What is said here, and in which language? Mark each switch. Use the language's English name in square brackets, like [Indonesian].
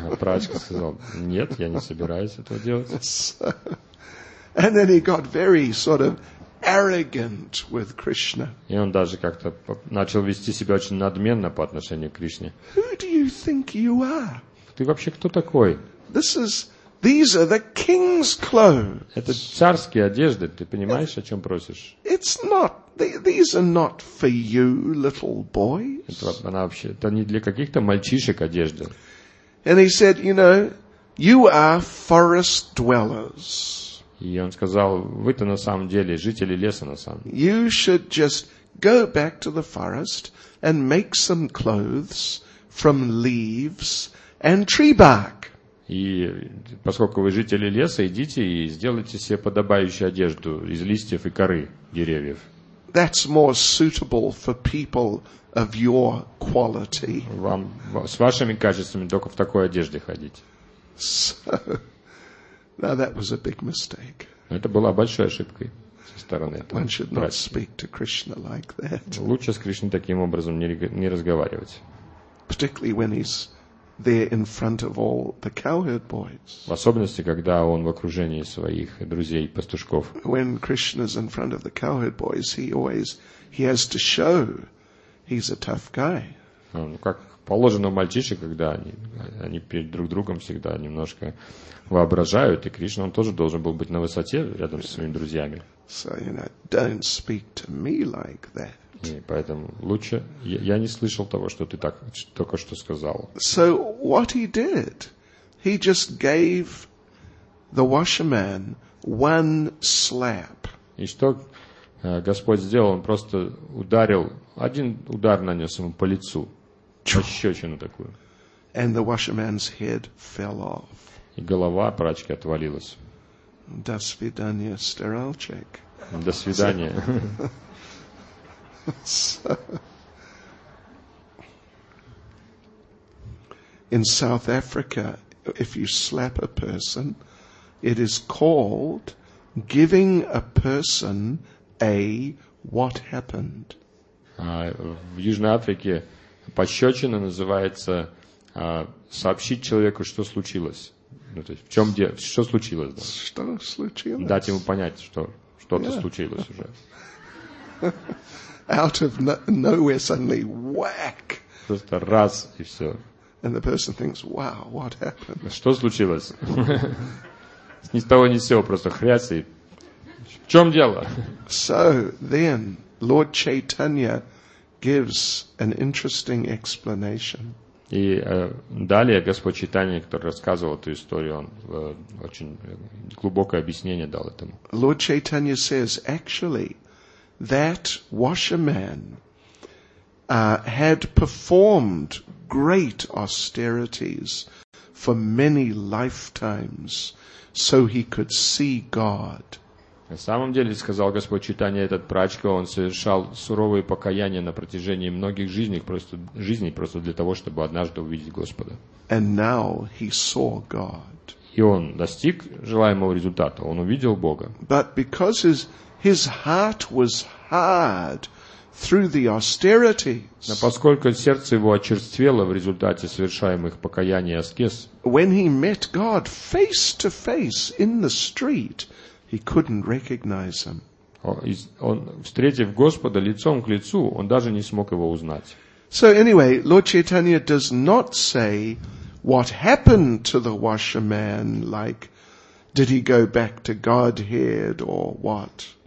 [Russian] Прачка сказал нет, я не собираюсь этого делать. [English] And then he got very sort of arrogant with Krishna. [Russian] И он даже как-то начал вести себя очень надменно по отношению к Кришне. [English] Who do you think you are? [Russian] Ты вообще кто такой? [English] These are the king's clothes. [Russian] Это царские одежды, ты понимаешь, о чем просишь? [English] It's not. These are not for you, little boys. [Russian] Это не для каких-то мальчишек одежды. [English] And he said, you know, you are forest dwellers. [Russian] И он сказал, вы-то на самом деле жители леса на самом деле. [English] You should just go back to the forest and make some clothes from leaves and tree bark. [Russian] И поскольку вы жители леса, идите и сделайте себе подобающую одежду из листьев и коры деревьев. [English] That's more suitable for people of your quality. [Russian] Вам с вашими качествами только в такой одежде ходить. [English] Now that was a big mistake. [Russian] Это была большой ошибкой со стороны этого. [English] One should not speak to Krishna like that. [Russian] Лучше с Кришной таким образом не разговаривать. [English] Particularly when he's there in front of all the cowherd boys. [Russian] В особенности, когда он в окружении своих друзей пастушков. [English] When Krishna's in front of the cowherd boys, he has to show he's a tough guy. [Russian] Положено мальчишек, когда они перед друг другом всегда немножко воображают, и Кришна, он тоже должен был быть на высоте рядом со своими друзьями. [English] So, you know, don't speak to me like that. [Russian] И поэтому лучше, я не слышал того, что ты так только что сказал. [English] So what he did, he just gave the washerman one slap. [Russian] И что Господь сделал, он просто ударил, один удар нанес ему по лицу. Пощечину такую. [English] And the washerman's head fell off. [Russian] И голова прачки отвалилась. До свидания, стиральщик. До свидания. [English] In South Africa, if you slap a person, it is called giving a person a what happened. [Russian] В Южной Африке пощечина называется сообщить человеку, что случилось. Ну, то есть, в чем дело? Что случилось? Да? Что случилось? Дать ему понять, что что-то yeah. случилось уже. [English] Out of nowhere suddenly whack. [Russian] Просто раз и все. [English] And the person thinks, wow, what happened? [Russian] Что случилось? Ни с того ни с сего просто хрясь и в чем дело? [English] So then Lord Chaitanya gives an interesting explanation. [Russian] И далее Господь Чайтанья, который рассказывал эту историю, он очень глубокое объяснение дал этому. [English] Lord Chaitanya says, actually, that washerman had performed great austerities for many lifetimes, so he could see God. [Russian] На самом деле, сказал Господь Чайтанья, этот прачка, он совершал суровые покаяния на протяжении многих жизней, просто для того, чтобы однажды увидеть Господа. [English] And now he saw God. [Russian] И он достиг желаемого результата, он увидел Бога. [English] But because his heart was hard through the austerities. [Russian] Но поскольку сердце его очерствело в результате совершаемых покаяний и аскез. [English] When he met God face to face in the street, he couldn't recognize him. [Russian] Он, встретив Господа лицом к лицу, он даже не смог его узнать. [English] So anyway, Lord Chaitanya does not say what happened to the washerman, like did he go back to Godhead or what?